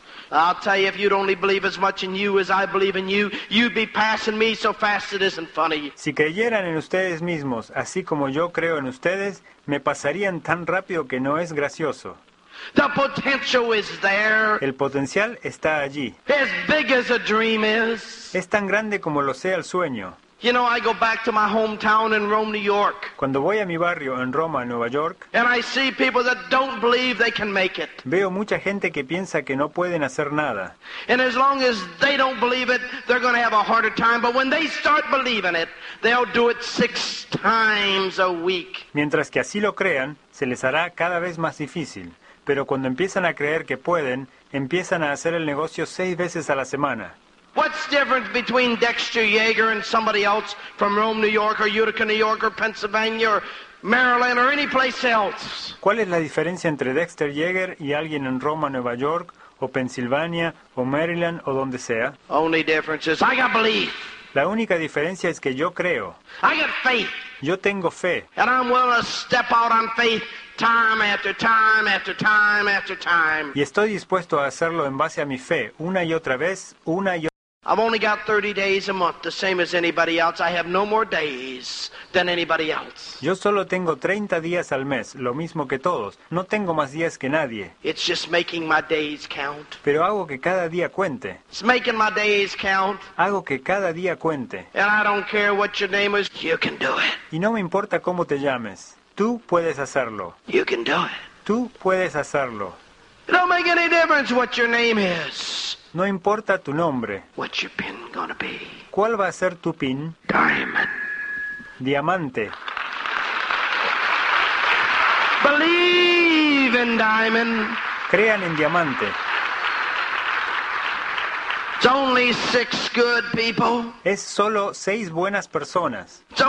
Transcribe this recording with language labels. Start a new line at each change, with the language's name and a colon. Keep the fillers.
English: I'll tell you, if you'd only believe as much in you as I believe in you, you'd be passing me so fast it isn't funny.
Spanish: Si creyeran en ustedes mismos, así como yo creo en ustedes, me pasarían tan rápido que no es gracioso.
English: The potential is there.
Spanish: El potencial está allí.
English: As big as a dream is.
Spanish: Es tan grande como lo sea el sueño.
English: You know, I go back to my hometown in Rome, New York.
Spanish: Cuando voy a mi barrio en Roma, Nueva York.
English: And I see people that don't believe they can make it.
Spanish: Veo mucha gente que piensa que no pueden hacer nada.
English: And as long as they don't believe it, they're going to have a harder time. But when they start believing it, they'll do it six times a week.
Spanish: Mientras que así lo crean, se les hará cada vez más difícil. Pero cuando empiezan a creer que pueden, empiezan a hacer el negocio seis veces a la semana.
English: What's different between Dexter Yeager and somebody else from Rome, New York, or Utica, New York, or Pennsylvania, or Maryland, or any place else?
Spanish: ¿Cuál es la diferencia Dexter Yeager y alguien en Roma, Nueva York, o Pennsylvania, o Maryland, o donde
English: Only difference is I got belief.
Spanish: La única diferencia es que yo creo.
English: I got faith.
Spanish: Yo tengo fe.
English: And I'm willing to step out on faith. Time after time after time after time.
Spanish: Y estoy dispuesto a hacerlo en base a mi fe, una y otra vez, una y otra vez.
English: I've only got 30 days a month, the same as anybody else. I have no more days than anybody else.
Spanish: Yo solo tengo 30 días al mes, lo mismo que todos. No tengo más días que nadie.
English: It's just making my days count.
Spanish: Pero hago que cada día cuente.
English: It's making my days count.
Spanish: Hago que cada día cuente.
English: And I don't care what your name is. You can do it.
Spanish: Y no me importa cómo te llames. Tú puedes hacerlo.
English: You can do it.
Spanish: Tú puedes hacerlo.
English: It don't make any difference what your name is.
Spanish: No importa tu nombre.
English: Your
Spanish: ¿Cuál va a ser tu pin? Diamond. Diamante.
English: Believe in diamond.
Spanish: Crean en diamante.
English: It's only six good people.
Spanish: Es solo seis buenas personas.